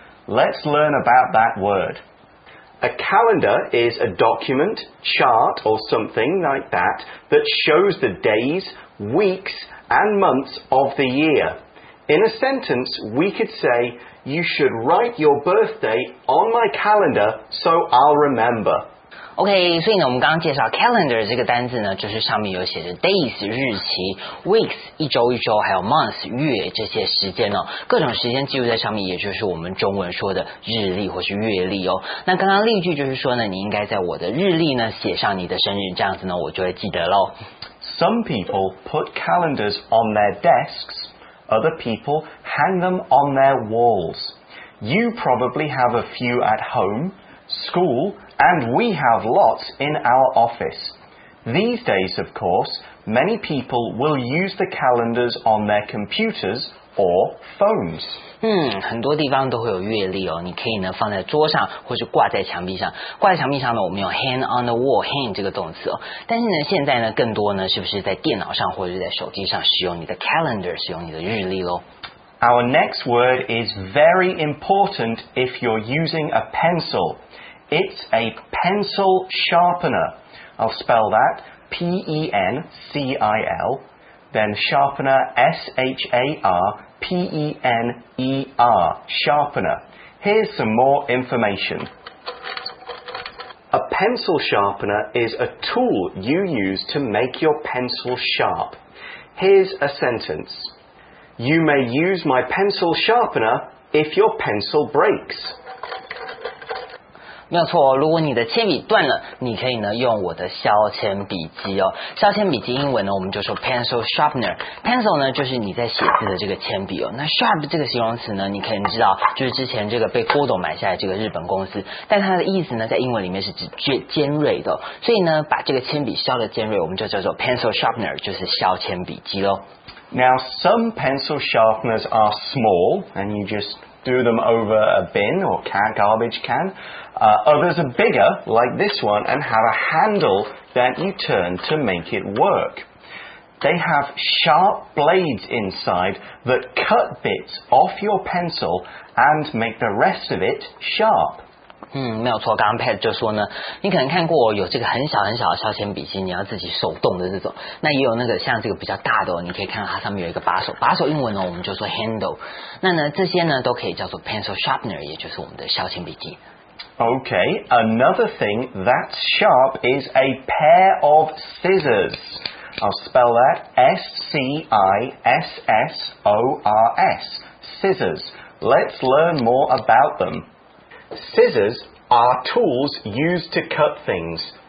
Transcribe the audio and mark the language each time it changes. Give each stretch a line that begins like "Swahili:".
English: Let's learn about that word. A calendar is a document, chart, or something like that that shows the days, weeks, and months of the year. In a sentence, we could say, you should write your birthday on my calendar so I'll remember.
Chinese: OK, 所以呢我们刚刚介绍 calendar 这个单字呢就是上面有写着 days 日期 weeks 一周一周还有 month 月这些时间哦各种时间记录在上面也就是我们中文说的日历或是月历哦那刚刚例句就是说呢你应该在我的日历呢写上你的生日这样子呢我就会记得咯
English: Some people put calendars on their desks Other people hang them on their walls You probably have a few at homeSchool, and we have lots in our office. These days, of course, many people will use the calendars on their computers or phones.
Chinese: 很多地方都会有月历哦，你可以呢放在桌上或是挂在墙壁上。挂在墙壁上呢，我们有
English: hang on the wall,
Chinese: hang 这个动词哦。但是呢，现在呢，更多呢，是不是在电脑上或者在手机上使用你的 calendar, 使用你的日历咯？
English: Our next word is very important if you're using a pencil. It's a pencil sharpener. I'll spell that P-E-N-C-I-L, then sharpener, S-H-A-R-P-E-N-E-R, sharpener. Here's some more information. A pencil sharpener is a tool you use to make your pencil sharp. Here's a sentence. You may use my pencil sharpener if your pencil breaks.
Chinese: 没有错、哦、如果你的铅笔断了你可以呢用我的削铅笔机哦。削铅笔机英文呢我们就说 pencil sharpener. Pencil 呢就是你在写字的这个铅笔哦。那 sharp 这个形容词呢你可能知道就是之前这个被郭董买下来这个日本公司。但它的意思呢在英文里面是指尖锐的、哦。所以呢把这个铅笔削的尖锐我们就叫做 pencil sharpener, 就是削铅笔机咯。
English: Now, some pencil sharpeners are small, and you just do them over a bin or garbage can. Others are bigger, like this one, and have a handle that you turn to make it work. They have sharp blades inside that cut bits off your pencil and make the rest of it sharp.
Chinese: 没有错，刚刚 Pat 就说呢，你可能看过有这个很小很小的削铅笔芯，你要自己手动的这种，那也有那个像这个比较大的哦，你可以看到它上面有一个把手，把手英文呢我们就说 handle， 那呢这些呢都可以叫做 pencil sharpener， 也就是我们的削铅笔芯。
English: Okay, another thing that's sharp is a pair of scissors. I'll spell that S-C-I-S-S-O-R-S, scissors. Let's learn more about them. Scissors are tools used to cut things.